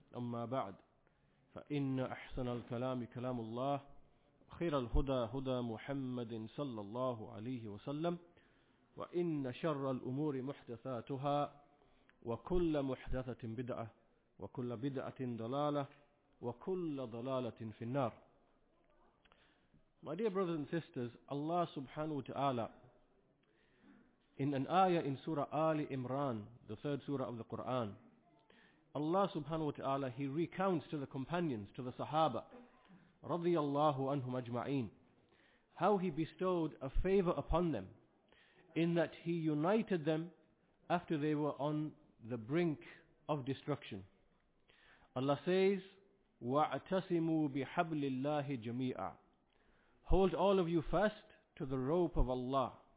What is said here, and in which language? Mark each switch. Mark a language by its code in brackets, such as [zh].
[ar] أما بعد، فإن أحسن الكلام كلام الله، خير الهدى هدى محمد صلى الله عليه وسلم، وإن شر الأمور محدثاتها، وكل محدثة بدعة، وكل بدعة ضلالة، وكل ضلالة في النار. [en] My dear brothers and sisters, Allah subhanahu wa ta'ala, in an ayah in Surah Ali Imran, the third surah of the Quran, Allah subhanahu wa ta'ala, He recounts to the companions, to the Sahaba, radiyallahu anhum ajma'een, how He bestowed a favor upon them, in that He united them after they were on the brink of destruction. Allah says, [ar] وَاعْتَسِمُوا بِحَبْلِ اللَّهِ جَمِيعًا. [en] Hold all of you fast to the rope of Allah.